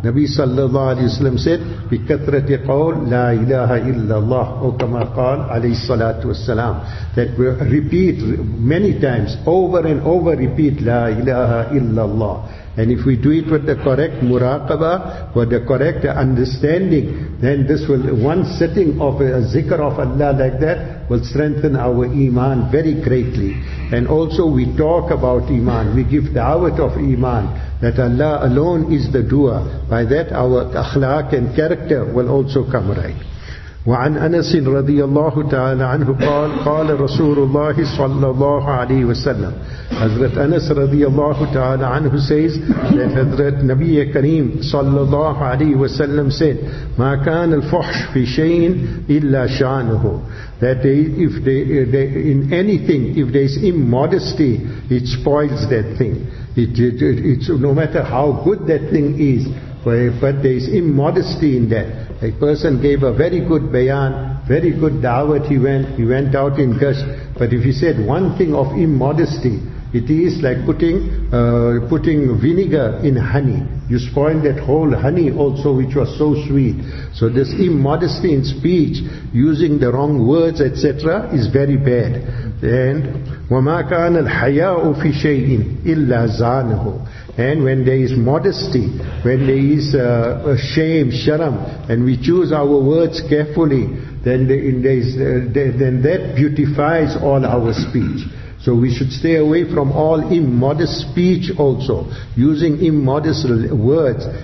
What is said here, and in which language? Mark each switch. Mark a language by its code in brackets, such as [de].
[en] Nabi sallallahu alayhi wa sallam said, [ar] بِكَثْرَةِ قَوْلْ لَا إِلَهَ إِلَّا اللَّهُ أَوْ كَمَا قَالْ عَلَيْهِ الصَّلَاةُ وَالسَّلَامُ, [en] that we repeat many times, over and over repeat, [ar] لَا إِلَهَ إِلَّا اللَّهُ. [en] And if we do it with the correct muraqabah, with the correct understanding, then this will, one sitting of a zikr of Allah like that, will strengthen our iman very greatly. And also we talk about iman, we give da'wat of iman, that Allah alone is the doer. By that our akhlaq and character will also come right. [ar] وعن أنس رضي الله تعالى عنه قال قال رسول الله صلى الله عليه وسلم. [en] Hazrat Anas رضي الله تعالى عنه says that Hazrat نبي كريم صلى الله عليه وسلم said, [ar] ما كان الفحش في شيء إلا شانه, [en] that if they in anything, if there is immodesty, it spoils that thing. It's no matter how good that thing is, but there is immodesty in that. A person gave a very good bayan, very good da'wat he went out in gush. But if he said one thing of immodesty, it is like putting vinegar in honey. You spoil that whole honey also, which was so sweet. So this immodesty in speech, using the wrong words, etc., is very bad. [ar] And وَمَا كَانَ الْحَيَاءُ فِي شَيْءٍ إِلَّا زَانَهُ. [en] And when there is modesty, when there is shame, sharam, and we choose our words carefully, then that beautifies all our speech. So we should stay away from all immodest speech also, using immodest words.